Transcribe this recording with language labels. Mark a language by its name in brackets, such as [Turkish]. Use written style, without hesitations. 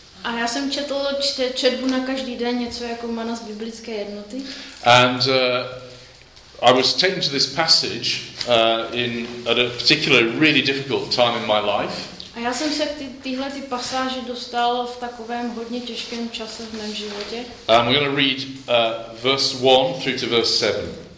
[Czech] A já jsem četl četbu na každý den, něco jako mana z biblické jednoty. [English] And I was taken to this passage at a particularly really difficult time in my life. [Czech] A já jsem se tyhle pasáže dostal v takovém hodně těžkém čase v mém životě. [English] And we're going to read verse 1 through to verse 7.